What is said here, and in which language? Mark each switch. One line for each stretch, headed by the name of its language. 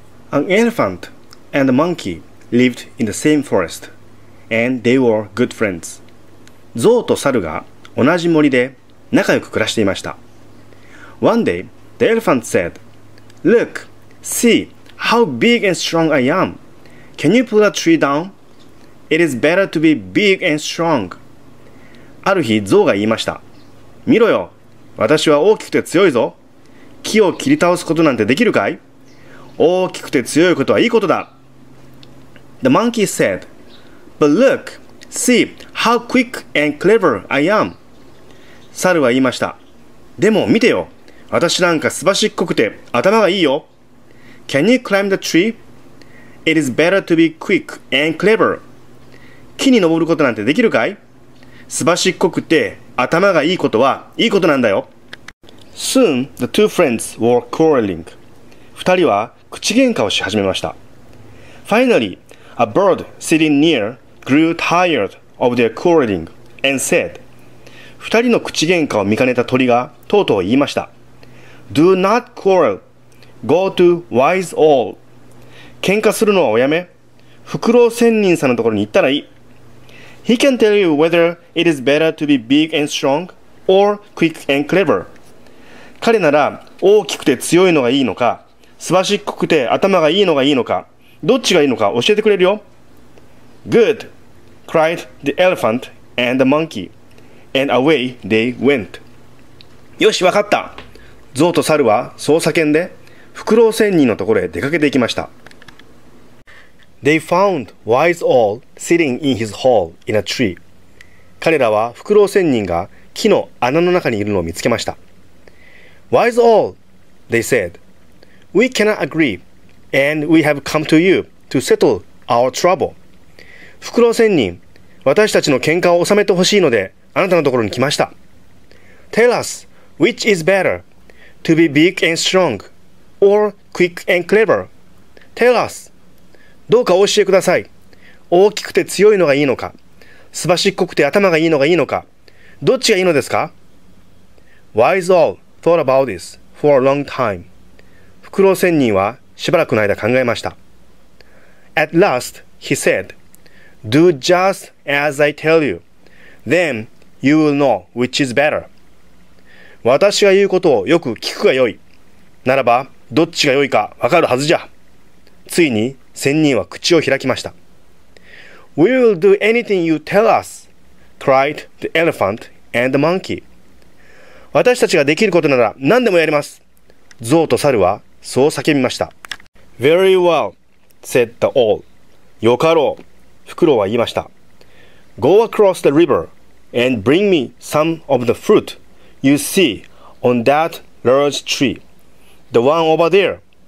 English: An elephant and a monkey lived in the same forest, and they were good friends.
Japanese: ゾウと猿が同じ森で仲良く暮らしていました。
English: One day, the elephant said, Look, see how big and strong I am. Can you pull a tree down? It is better to be big and strong.
Japanese: ある日、ゾウが言いました。見ろよ。私は大きくて強いぞ。木を切り倒すことなんてできるかい？大きくて強いことはいいことだ。
English: The monkey said, But look, see how quick and clever I am.
Japanese: 猿は言いました。でも見てよ。私なんかすばしっこくて頭がいいよ。
English: Can you climb the tree? It is better to be quick and clever.
Japanese: 木に登ることなんてできるかい？すばしっこくて頭がいいことはいいことなんだよ。
English: Soon, the two friends were quarreling.
Japanese: 二人は口喧嘩をし始めました。
English: Finally, a bird sitting near grew tired of their quarreling and said,
Japanese: 二人の口喧嘩を見かねた鳥がとうとう言いました。
English: Do not quarrel. Go to wise owl.
Japanese: 喧嘩するのはおやめ。フクロウ仙人さんのところに行ったらいい。
English: He can tell you whether it is better to be big and strong or quick and clever.
Japanese: 彼なら大きくて強いのがいいのか、すばしっこくて頭がいいのがいいのか、どっちがいいのか教えてくれるよ。
English: Good! cried the elephant and the monkey, and away they went.
Japanese: よし、わかった。ゾウと猿はそう叫んで、フクロウ仙人のところへ出かけていきました。
English: They found Wise Owl sitting in his hole in a tree.
Japanese: 彼らはフクロウ仙人が木の穴の中にいるのを見つけました。
English: Wise Owl, they said, We cannot agree, and we have come to you to settle our trouble.
Japanese: フクロウ仙人、私たちの喧嘩を収めてほしいので、あなたのところに来ました。
English: Tell us, which is better, to be big and strong, or quick and clever? Tell us.
Japanese: どうかお教えください。大きくて強いのがいいのか、すばしっこくて頭がいいのがいいのか、どっちがいいのですか？
English: Wise Owl thought about this for a long time.
Japanese: フクロウ仙人はしばらくの間考えました。
English: At last, he said, Do just as I tell you. Then you will know which is better.
Japanese: 私が言うことをよく聞くがよい。ならば、どっちがよいかわかるはずじゃ。ついに、仙人は口を開きました。
English: We will do anything you tell us, cried the elephant and the monkey.
Japanese: 私たちができることなら何でもやります。ゾウと猿はそう叫びました。
English: Very well, said the owl.
Japanese: よかろう。フクロウは言いました。
English: Go across the river and bring me some of the fruit you see on that large tree, the one over there.